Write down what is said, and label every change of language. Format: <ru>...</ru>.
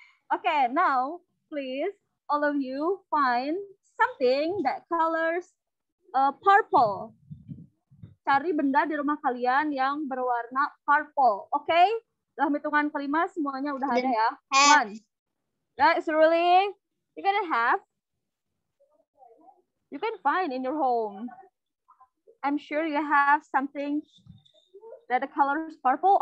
<en>Okay, now, please, all of you find something that colors purple.</en> <id>Cari benda di rumah kalian yang berwarna purple. Okay? Dalam hitungan kelima, semuanya udah ada ya.</id> <en>One. That's really, you can have, you can find in your home. I'm sure you have something that the color is purple.</en>